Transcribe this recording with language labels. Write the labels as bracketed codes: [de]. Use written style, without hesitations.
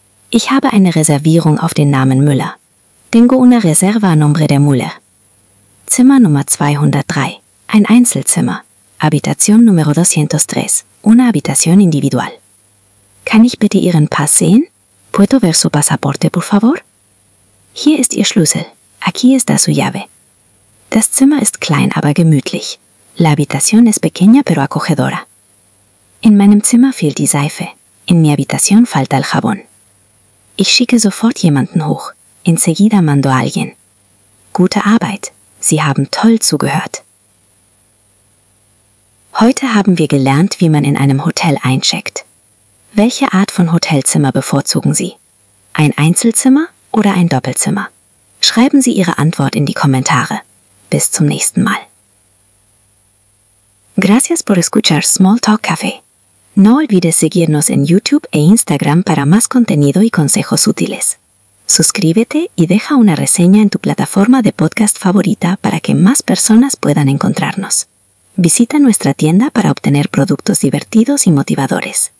[de] Ich habe eine Reservierung auf den Namen Müller. [es] Tengo una reserva a nombre de Müller. [de] Zimmer Nummer 203. Ein Einzelzimmer. [es] Habitación número 203. Una habitación individual. [de] Kann ich bitte Ihren Pass sehen? [es] Puedo ver su pasaporte, por favor? [de] Hier ist Ihr Schlüssel. [es] Aquí está su llave. [de] Das Zimmer ist klein, aber gemütlich. [es] La habitación es pequeña, pero acogedora. [de] In meinem Zimmer fehlt die Seife. [es] In mi habitación falta el jabón. [de] Ich schicke sofort jemanden hoch. [es] Enseguida mando a alguien. [de] Gute Arbeit. Sie haben toll zugehört. Heute haben wir gelernt, wie man in einem Hotel eincheckt. Welche Art von Hotelzimmer bevorzugen Sie? Ein Einzelzimmer oder ein Doppelzimmer? Schreiben Sie Ihre Antwort in die Kommentare. Bis zum nächsten Mal. [es] Gracias por escuchar Small Talk Café. No olvides seguirnos en YouTube e Instagram para más contenido y consejos útiles. Suscríbete y deja una reseña en tu plataforma de podcast favorita para que más personas puedan encontrarnos. Visita nuestra tienda para obtener productos divertidos y motivadores.